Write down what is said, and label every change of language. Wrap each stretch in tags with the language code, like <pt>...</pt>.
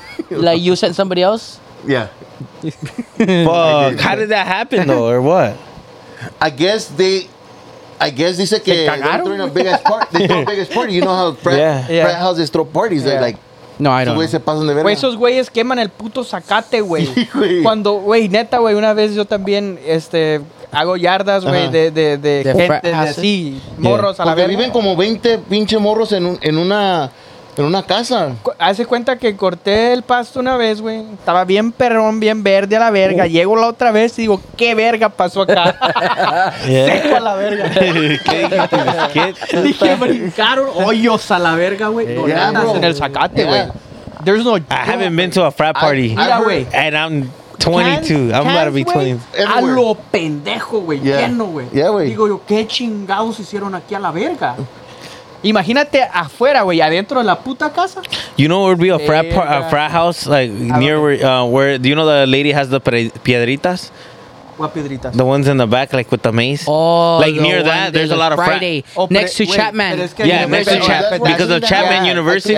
<en>Like you sent somebody else? Yeah. Fuck. How did that happen though, or what? I guess they said que they're throwing a big ass party. They throw a biggest party. You know how frat houses throw parties. Yeah. They're like. No, I don't.</en> <es>Güey, esos güeyes queman el puto zacate, güey. Cuando, güey, neta, güey, una vez yo también, hago yardas, güey, de gente, de así, morros a la verga. Viven como 20 pinche morros en una casa. Hace cuenta que corté el pasto una vez, güey. Estaba bien perrón, bien verde a la verga. Llego la otra vez y digo, ¿qué verga pasó acá? Seco a la verga. ¿Qué? Dije, brincaron hoyos a la verga, güey. Yeah, no, yeah, en el zacate, güey. Yeah.</es> <en>There's no... I haven't been to a frat party.</en> <es>Mira, güey.</es> <en>And I'm 22. I'm about to be 20.</en> <es>A lo pendejo, güey. Yeah. Lleno, güey. Yeah, güey. Digo yo, ¿qué chingados hicieron aquí a la verga? Imagínate afuera, güey, adentro de la puta casa.</es> <en>You know where would be a frat house, like near where do you know the lady has the piedritas? What piedritas? The ones in the back, like with the maze. Oh, like near that, there's a lot of frat. Next to Chapman. Yeah, next to Chapman. Because of Chapman University.</en>